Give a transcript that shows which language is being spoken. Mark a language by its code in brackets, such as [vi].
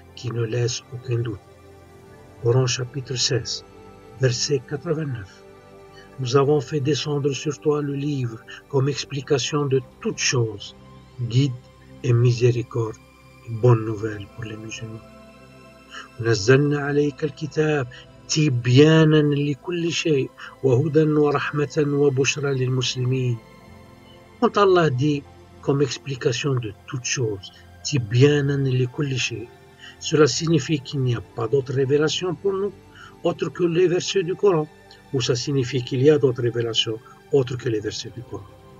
[fr] qui ne laisse aucun doute. Coran chapitre 16, verset 89. Nous avons fait descendre sur toi le livre comme explication de toutes choses, guide et miséricorde, et bonne nouvelle pour les musulmans. [ar] نزلنا عليك الكتاب تبيانا لكل شيء وهدى ورحمة وبشرى للمسلمين. [fr] Quand Allah dit comme explication de toutes choses [ar] تبيانا لكل شيء, [fr] cela signifie qu'il n'y a pas d'autre révélation pour nous autre que les versets du Coran, ou ça signifie qu'il y a d'autres révélations autre que les versets du Coran.